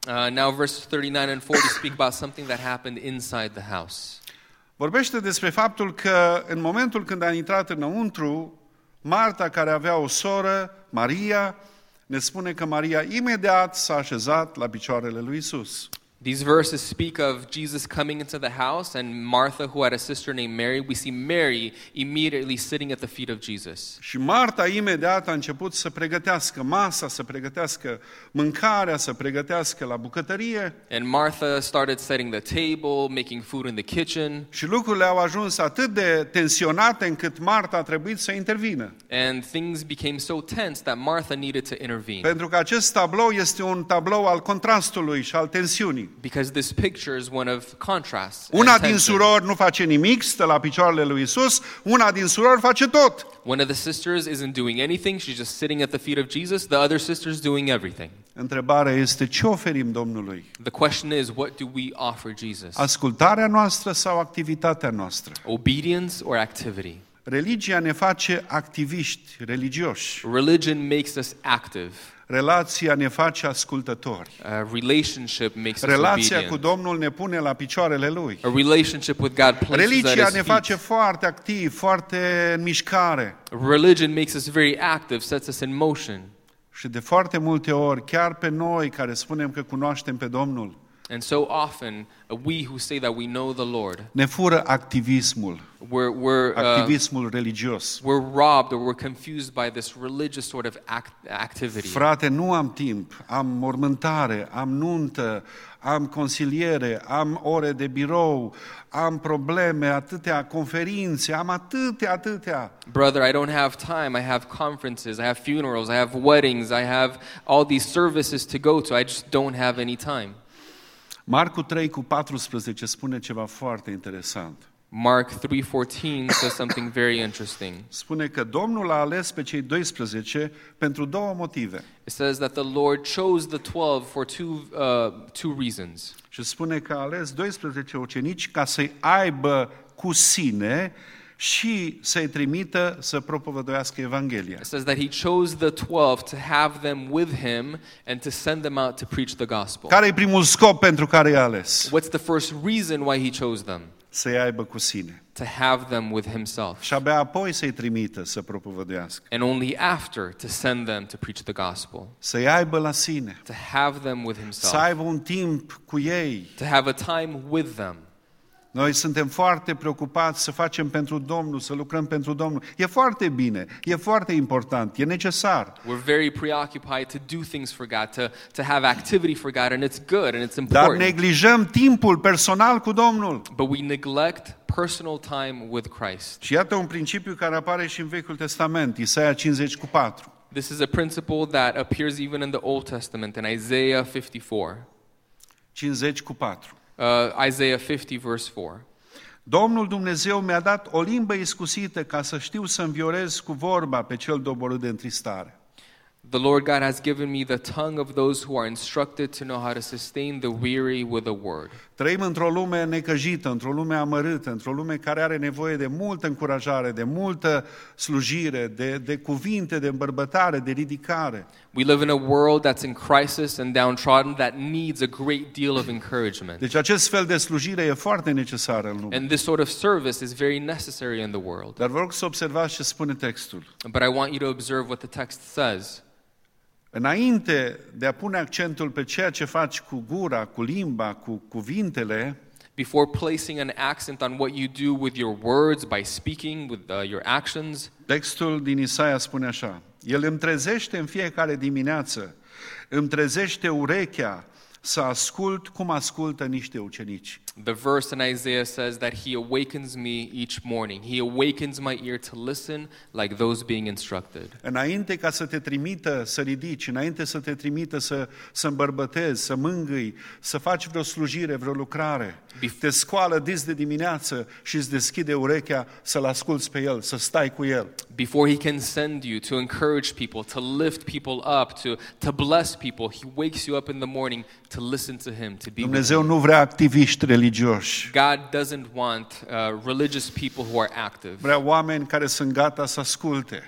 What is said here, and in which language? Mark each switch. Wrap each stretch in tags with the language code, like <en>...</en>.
<en>Now verse 39 and 40 speak about something that happened inside the house.</en> <ro>Vorbește despre faptul că în momentul când a intrat înăuntru, Marta, care avea o soră, Maria, ne spune că Maria imediat s-a așezat la picioarele lui Iisus.</ro> <en>These verses speak of Jesus coming into the house and Martha, who had a sister named Mary. We see Mary immediately sitting at the feet of Jesus.</en> <ro>Și Marta imediat a început să pregătească masa, să pregătească mâncarea, să pregătească la bucătărie.</ro> <en>And Martha started setting the table, making food in the kitchen.</en> <ro>Și lucrurile au ajuns atât de tensionate încât Marta a trebuit să intervină.</ro> <en>And things became so tense that Martha needed to intervene.</en> <ro>Pentru că acest tablou este un tablou al contrastului și al tensiunii.</ro> <en>Because this picture is one of contrast.</en> <ro>Una din surori nu face nimic, stă la picioarele lui Iisus, una din surori face tot.</ro> <en>One of the sisters isn't doing anything, she's just sitting at the feet of Jesus, the other sister's doing everything.</en> <ro>Întrebarea este ce oferim Domnului?</ro> <en>The question is what do we offer Jesus?</en> <ro>Ascultarea noastră sau activitatea noastră?</ro> <en>Obedience or activity?</en> <ro>Religia ne face activiști, religioși.</ro> <en>Religion makes us active.</en> <ro>Relația ne face ascultători.</ro> <en>A relationship makes us</en> <ro>relația</ro> <en>obedient.</en> <ro>Cu Domnul ne pune la picioarele Lui.</ro> <en>A relationship with God places</en> <ro>religia ne</ro> <en>feet.</en> <ro>Face foarte activ, foarte în mișcare.</ro> <en>Religion makes us very active, sets us in motion.</en> <ro>Și de foarte multe ori, chiar pe noi care spunem că cunoaștem pe Domnul,</ro> <en>and so often, we who say that we know the Lord,</en> <ro>ne fură activismul, activismul religios.</ro> <en>We're robbed or we're confused by this religious sort of activity.</en> <ro>Frate, nu am timp, am mormântare, am nuntă, am consiliere, am ore de birou, am probleme, atâtea conferințe, am atâtea.</ro> <en>Brother, I don't have time, I have conferences, I have funerals, I have weddings, I have all these services to go to, I just don't have any time.</en> <ro>Marcu 3:14 spune ceva foarte interesant.</ro> <en>Mark 3:14 says something very interesting.</en> <ro>Spune că Domnul a ales pe cei 12 pentru două motive.</ro> <en>It says that the Lord chose the 12 for two reasons.</en> <ro>Și spune că a ales 12 ucenici ca să-i aibă cu sine și să-i trimită să propovăduiască Evanghelia.</ro> <en>It says that he chose the 12 to have them with him and to send them out to preach the gospel.</en> <ro>Care e primul scop pentru care i-a ales?</ro> <en>What's the first reason why he chose them?</en> <ro>Să-i aibă cu sine.</ro> <en>To have them with himself.</en> <ro>Și abia apoi să-i trimită să propovăduiască.</ro> <en>And only after to send them to preach the gospel.</en> <ro>Să-i aibă la sine.</ro> <en>To have them with himself.</en> <ro>Să aibă un timp cu ei.</ro> <en>To have a time with them.</en> <ro>Noi suntem foarte preocupați să facem pentru Domnul, să lucrăm pentru Domnul. E foarte bine, e foarte important, e necesar.</ro> <en>We're very preoccupied to do things for God, to have activity for God, and it's good and it's important.</en> <ro>Dar neglijăm timpul personal cu Domnul.</ro> <en>But we neglect personal time with Christ.</en> <ro>Și iată un principiu care apare și în Vechiul Testament, Isaia 54.</ro> <en>This is a principle that appears even in the Old Testament in Isaiah 54. 54. Isaiah 50 verse 4.</en> <ro>Domnul Dumnezeu mi-a dat o limbă iscusită ca să știu să înviorez cu vorba pe cel doborât de întristare.</ro> <en>The Lord God has given me the tongue of those who are instructed to know how to sustain the weary with a word.</en> <ro>Trăim într-o lume necăjită, într-o lume amărâtă, într-o lume care are nevoie de multă încurajare, de multă slujire, de cuvinte, de îmbărbătare, de ridicare.</ro> <en>We live in a world that's in crisis and downtrodden that needs a great deal of encouragement.</en> <ro>Deci acest fel de slujire e foarte necesară în lume.</ro> <en>And this sort of service is very necessary in the world.</en> <ro>Dar vă rog să observați ce spune textul.</ro> <en>But I want you to observe what the text says.</en> <ro>Înainte de a pune accentul pe ceea ce faci cu gura, cu limba, cu cuvintele,</ro> <en>before placing an accent on what you do with your words, by speaking, with your actions,</en> <ro>textul din Isaia spune așa: El îmi trezește în fiecare dimineață, îmi trezește urechea să ascult cum ascultă niște ucenici.</ro> <en>The verse in Isaiah says that he awakens me each morning. He awakens my ear to listen like those being instructed.</en> <ro>Înainte ca să te trimită să ridici, înainte să te trimită să îmbărbătezi, să mângâi, să faci vreo slujire, vreo lucrare, te scoală dis de dimineață și îți deschide urechea să-l asculți pe el, să stai cu el.</ro> <en>Before he can send you to encourage people, to lift people up, to bless people, he wakes you up in the morning to listen to him, to be with him.</en> <ro>Dumnezeu nu vrea activiști religioși.</ro> <en>God doesn't want religious people who are active.</en> <ro>Vrea oameni care sunt gata să asculte.</ro>